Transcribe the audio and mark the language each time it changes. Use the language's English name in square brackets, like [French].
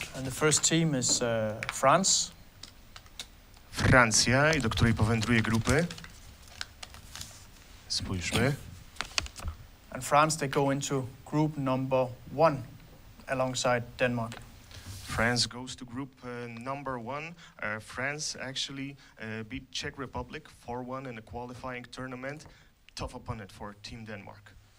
[English] And the first team is France. [Polish] Francja, i do której powędruje grupy. Spójrzmy. [English] And France, they go into group number one alongside Denmark. France goes to group number one. France actually beat Czech Republic 4-1 in a qualifying tournament. Tough opponent for Team Denmark.